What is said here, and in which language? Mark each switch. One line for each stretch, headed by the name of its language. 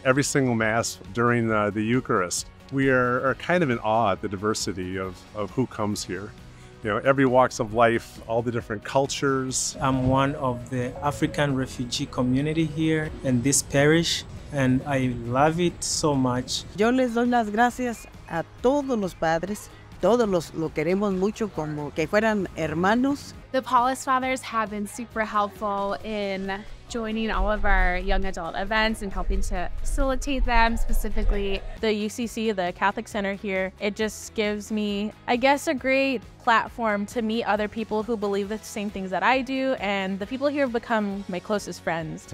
English: Every single Mass during the Eucharist, we are kind of in awe at the diversity of who comes here. You know, every walks of life, all the different cultures. I'm one of the African refugee community here in this parish, and I love it so much.
Spanish: Yo les doy las gracias a todos los padres. Todos los lo queremos mucho como que fueran hermanos.
English: The Paulist Fathers have been super helpful in joining all of our young adult events and helping to facilitate them, specifically the UCC, the Catholic Center here. It just gives me, I guess, a great platform to meet other people who believe the same things that I do, and the people here have become my closest friends.